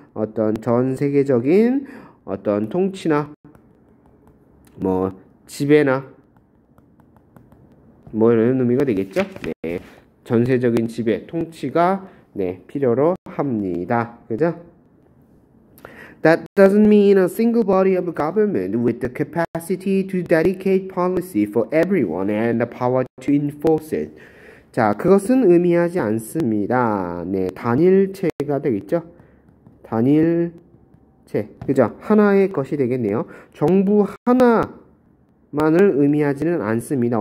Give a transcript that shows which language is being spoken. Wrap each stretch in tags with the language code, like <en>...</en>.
<ko>어떤 전 세계적인 어떤 통치나, 뭐, 지배나, 뭐 이런 의미가 되겠죠? 네. 전 세계적인 지배, 통치가, 네, 필요로 합니다. 그죠?</ko> <en>That doesn't mean a single body of government with the capacity to dedicate policy for everyone and the power to enforce it.</en> <ko>자, 그것은 의미하지 않습니다. 네, 단일체가 되겠죠? 단일체. 그죠? 하나의 것이 되겠네요. 정부 하나가 만을 의미하지는 않습니다.</ko>